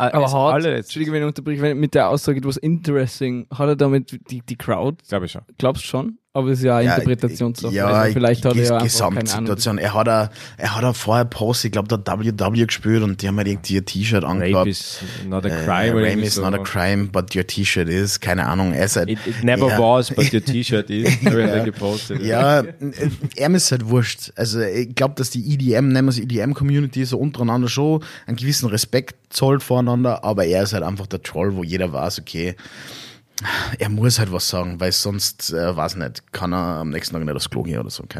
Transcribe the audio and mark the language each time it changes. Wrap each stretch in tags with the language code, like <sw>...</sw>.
<de>Entschuldige, wenn ich unterbreche, mit der Aussage,</de> <en>it was interesting,</en> <de>hat er damit die Crowd? Glaube ich schon. Glaubst du schon? Aber es ist ja eine Interpretationssache. Ja, also vielleicht hat er ja Gesamtsituation. Keine Ahnung. Er hat vorher Post, ich glaube, da WW gespielt und die haben halt irgendwie ihr T-Shirt angehabt.</de> <en>Rape is not a crime. Rape is not a crime, but your T-Shirt is.</en> <de>Keine Ahnung. Er ist halt,</de> <en>it never was, but your T-Shirt is.</en> <de>Ja, gepostet. Ja, er ist halt wurscht. Also ich glaube, dass die EDM, nennen wir es EDM-Community, so untereinander schon einen gewissen Respekt zollt voreinander, aber er ist halt einfach der Troll, wo jeder weiß, okay, er muss halt was sagen, weil sonst, weiß nicht, kann er am nächsten Tag nicht aufs Klo gehen oder so.</de>